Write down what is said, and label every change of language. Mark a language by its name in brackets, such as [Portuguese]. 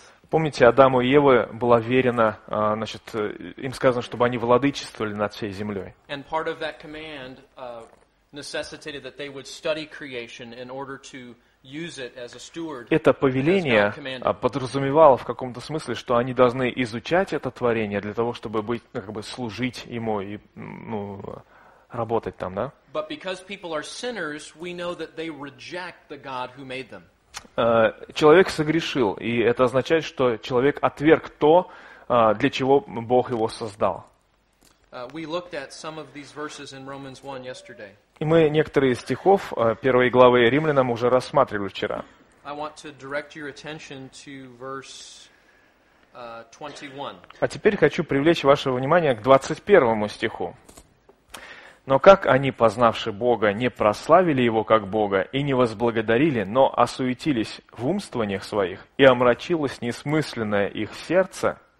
[Russian] Помните, Адаму и Еве было верено, значит, им сказано, чтобы они владычествовали над всей землей. [English] And part of that command necessitated that they would study creation in order to use it as a steward. [Russian] Это повеление подразумевало в каком-то смысле, что они должны изучать это творение для того, чтобы быть, как бы служить ему и, ну, работать там, да? [English] But because people are sinners, we know that they reject the God who made them. [Russian] Человек согрешил, и это означает, что человек отверг то, для чего Бог его создал. [English] We looked at some of these verses in Romans 1 yesterday. [Russian] И мы некоторые из стихов первой главы Римлянам уже рассматривали вчера. А теперь хочу привлечь ваше внимание к 21 стиху. «Но как они, познавши Бога, не прославили Его как Бога и не возблагодарили, но осуетились в умствованиях своих, и омрачилось несмысленное их сердце?»